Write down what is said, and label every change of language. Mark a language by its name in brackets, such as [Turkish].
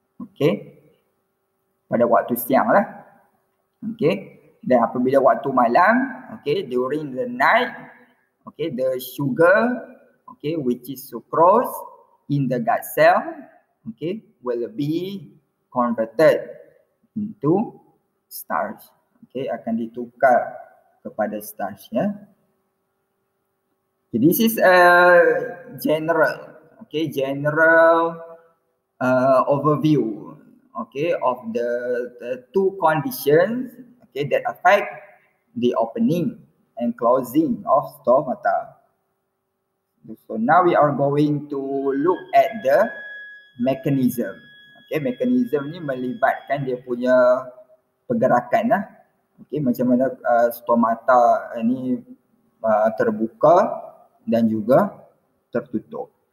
[Malay] Okay, pada waktu siang lah. [English] Okay, [Malay] dan apabila waktu malam, [English] okay, during the night, okay, the sugar, okay, which is sucrose in the guard cell, okay, will be converted into starch. Okay, [Malay] akan ditukar kepada starch, ya. [English] Okay, this is a general, okay, general overview, okay, of the two conditions, okay, that affect the opening and closing of stomata. So now we are going to look at the mechanism. [Malay] Okay, mechanism ni melibatkan dia punya pergerakan lah. Okay, macam mana stomata ni terbuka dan juga tertutup.